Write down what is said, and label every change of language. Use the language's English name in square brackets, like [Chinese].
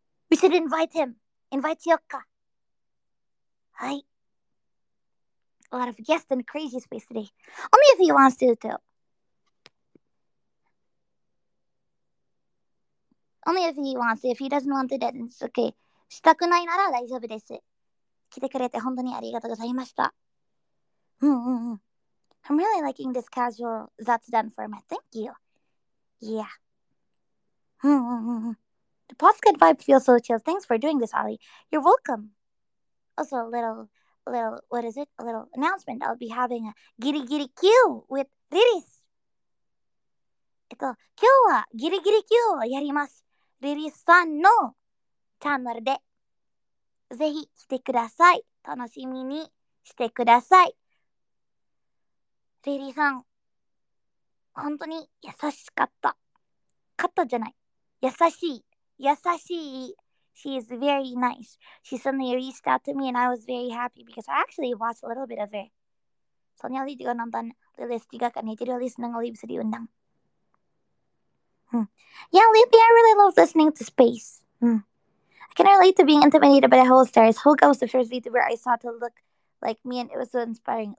[English] We should invite him. Invite Yoka. Hi. A lot of guests in the crazy space today. Only if he wants to, though. Only if he wants to. If he doesn't want to, then it's okay. [Japanese] Shitakunai nara daijoubu desu. 来てくれて本当にありがとうございました. [English] I'm really liking this casual zatsudan format. Thank you. Yeah. The podcast vibe feels so chill. Thanks for doing this, Ollie. You're welcome. Also, a little announcement. I'll be having a giri giri Q with Riris. [Japanese] 今日はギリギリ Q をやります。Riris さんのチャンネルで。ぜひ来てください。楽しみにしてください。リリーさん、本当に優しかった。カットじゃない。優しい。 [English] She is very nice. She suddenly reached out to me and I was very happy because I actually watched a little bit of her. [Japanese] そんなに時間なんだね。リリース時間かねてるリスナーがリブスリウンダン。 [English] Yeah, Lily, I really love listening to space. I can relate to being intimidated by the Holstars. Holga was the first VTuber I saw to look like me, and it was so inspiring.